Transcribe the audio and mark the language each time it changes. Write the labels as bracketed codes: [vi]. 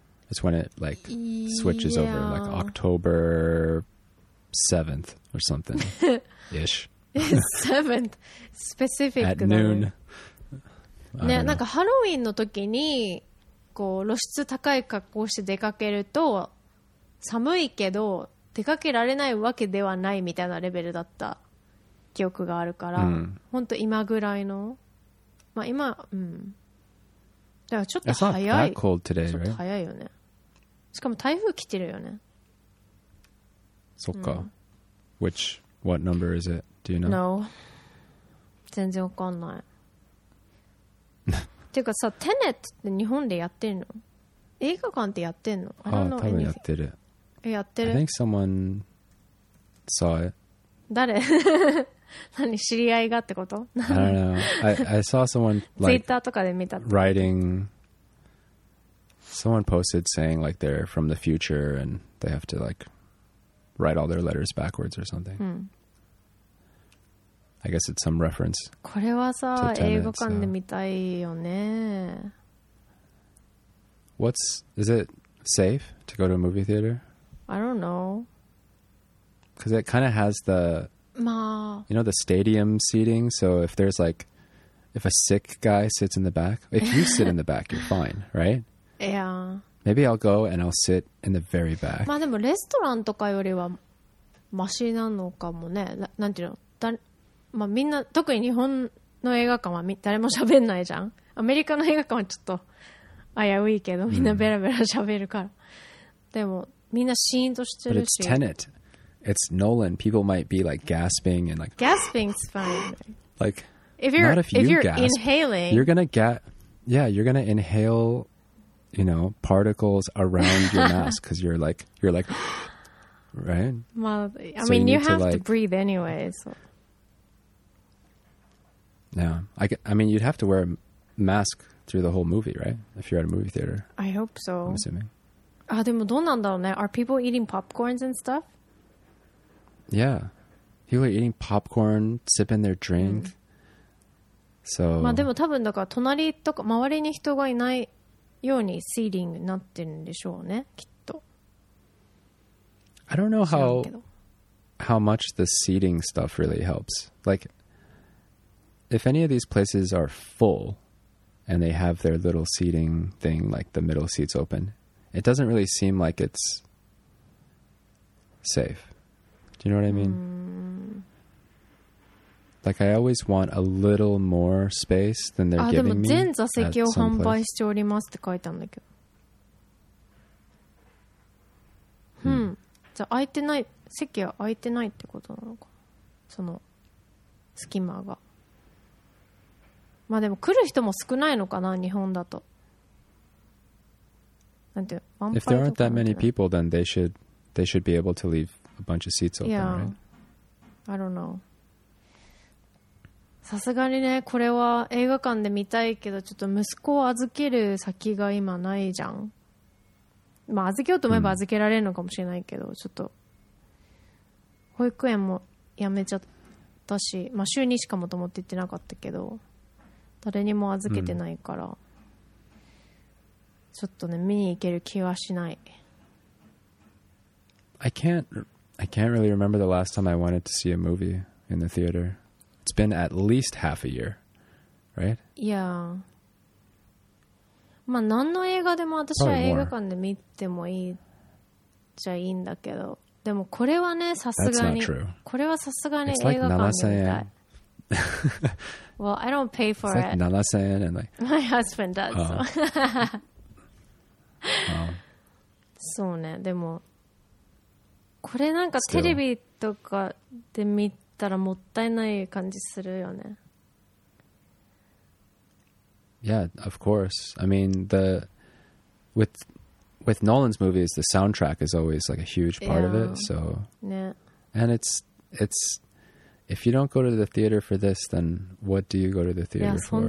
[en] It's when it like switches over, like October 7th or something ish. 7th specific at noon. [ja] ね、なんかハロウィンの時にこう露出高い格好して出かけると寒いけど出かけられないわけではないみたいなレベルだった記憶があるから、本当今ぐらいの、まあ今、だからちょっと早い。 [en] It's not that cold today, right? [ja] ちょっと早いよね。しかも台風来てるよね。そっか。 [en] Which what number is it? Do you know? [ja] No. 全然わかんない。てかさ、テネットって日本でやってるの？映画館ってやってんの？あ、多分やってる。やってる。 [en] I think someone saw it. [ja] 誰？何知り合いがってこと [en] I don't know. I saw someone [ja] like Twitter とかで見た [en] writing someone posted saying like they're from the future and they have to like write all their letters backwards or something、I guess it's some reference [ja] これはさ英語館で見たいよね [en] What's is it safe to go to a movie theater? I don't know because it kind of has the [ja] まあ、 [en] you know the stadium seating? So if there's like, if a sick guy sits in the back, if you sit in the back, you're fine, right? Yeah. Maybe I'll go and I'll sit in the very back. [ja] まあでもレストランとかよりはマシなのかもね。なんていうの、だ、まあみんな、特に日本の映画館は誰も喋んないじゃん。アメリカの映画館はちょっと危ういけど、みんなベラベラ喋るから。でもみんなシーンとしてるし。 [en] But it's Tenet. It's Nolan. People might be like gasping and like gasping's fine. Like if you're inhaling, you're gonna get yeah, you're gonna inhale, you know, particles around your mask because you're like right. Well, I mean, you have to breathe anyways. Yeah, I mean, you'd have to wear a mask through the whole movie, right? If you're at a movie theater, I hope so. I'm assuming. [ja] Ah, でもどうなんだろうね? [en] Are people eating popcorns and stuff? Yeah. People are eating popcorn, sipping their drink.、So, [ja] まあでも多分だから隣とか周りに人がいないようにシーリングになってるんでしょうね、きっと。 [en] I don't know how much the seating stuff really helps. Like, if any of these places are full and they have their little seating thing, like the middle seats open, it doesn't really seem like it's safe. You know what I mean?、Like, I always want a little more space than they're giving me. [ja] でも全座席を販売しておりますって書いたんだけど。じゃあ空いてない、席は空いてないってことなのか。その、隙間が。まあでも来る人も少ないのかな、日本だと。なんて、満杯。 [en] If there aren't that many people, then they should be able to leave. A bunch of seats open, yeah. right? I don't know. [ja] さすがにね、これは映画館で見たいけど、ちょっと息子を預ける先が今ないじゃん。まあ預けようと思えば預けられるのかもしれないけど、ちょっと保育園も辞めちゃったし、まあ週2しかもと思って行ってなかったけど、誰にも預けてないから、ちょっとね見に行ける気はしない。 [en] I can't really remember the last time I wanted to see a movie in the theater. It's been at least half a year, right? Yeah. [ja] まあ何の映画でも私は映画館で見てもいいじゃいいんだけど、でもこれはねさすがにこれはさすがに映画館で見たい。 [en] Well, I don't pay for it. It's like 7,000 and like my husband does. So. [ja] そうね、でも。これなんかテレビとかで見たらもったいない感じするよね。 [en] Yeah, of course. I mean, with Nolan's movies, the soundtrack is always like a huge part of it. So, yeah. And it's if you don't go to the theater for this, then what do you go to the theater for?